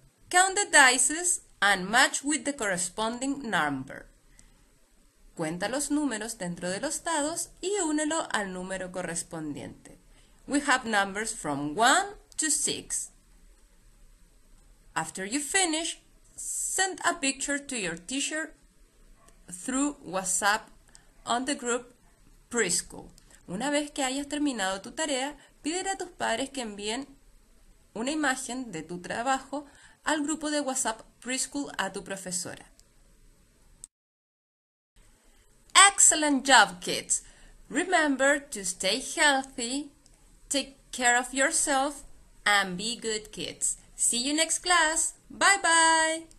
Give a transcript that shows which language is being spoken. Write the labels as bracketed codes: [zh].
[en] Count the dices and match with the corresponding number. [es] Cuenta los números dentro de los dados y únelo al número correspondiente. [en] We have numbers from 1 to 6. After you finish, send a picture to your teacher through WhatsApp on the group preschool. [es] Una vez que hayas terminado tu tarea, pídele a tus padres que envíen una imagen de tu trabajo al grupo de WhatsApp preschool a tu profesora. [en] Excellent job, kids! Remember to stay healthy, take care of yourself, and be good kids. See you next class. Bye bye.